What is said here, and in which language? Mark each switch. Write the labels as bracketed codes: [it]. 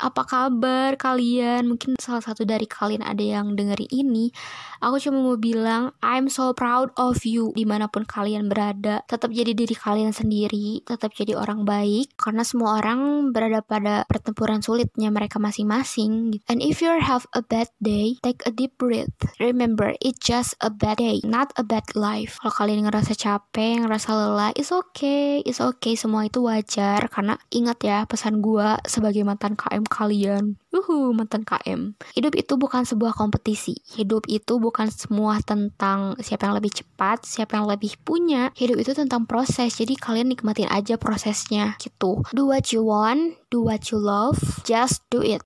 [id] Apa kabar kalian? Mungkin salah satu dari kalian ada yang dengerin ini. Aku cuma mau bilang, [en] I'm so proud of you. [id] Dimanapun kalian berada, tetap jadi diri kalian sendiri, tetap jadi orang baik, karena semua orang berada pada pertempuran sulitnya mereka masing-masing. [en] And if you have a bad day, take a deep breath. Remember, it's just a bad day, not a bad life. [id] Kalau kalian ngerasa capek, ngerasa lelah, [en] It's okay, [id] semua itu wajar. Karena ingat ya, pesan gue sebagai mantan KM kalian, mantan KM, hidup itu bukan sebuah kompetisi, hidup itu bukan semua tentang siapa yang lebih cepat, siapa yang lebih punya. Hidup itu tentang proses, jadi kalian nikmatin aja prosesnya gitu. [en] Do what you want, do what you love, just do it.